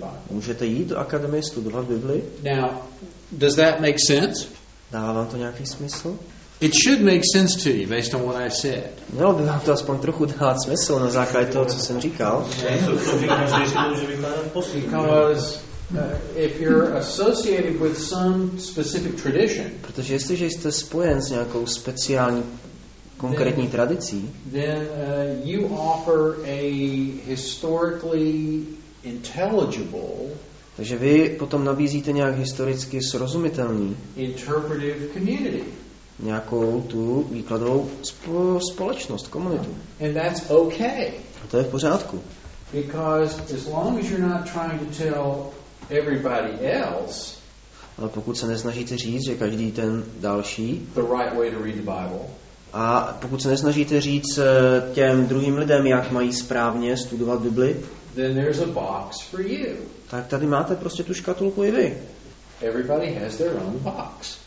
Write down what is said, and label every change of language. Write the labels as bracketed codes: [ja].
[cs] Můžete jít do akademie studovat Bibli? [en] Now, does that make sense? [cs] Dává vám to nějaký smysl? [en] It should make sense to you based on what I said. [cs] Mělo by vám to aspoň trochu dát smysl na základě toho, co jsem říkal. [en] Because if you're associated with some specific tradition, [cs] protože jestliže jste spojen s nějakou speciální konkrétní tradicí, [en] then you offer a historically intelligible, [cs] takže vy potom nabízíte nějak historicky srozumitelný [en] interpretive community, [cs] nějakou tu výkladovou společnost, komunitu. [en] And that's okay. [cs] A to je v pořádku. [en] Because as long as you're not trying to tell everybody else, [cs] ale pokud se nesnažíte říct, že každý ten další [en] the right way to read the Bible, [cs] a pokud se nesnažíte říct těm druhým lidem, jak mají správně studovat Bibli, [en] then there's a box for you. [cs] Tak tady máte prostě tu škatulku i vy. [en] Everybody has their own box.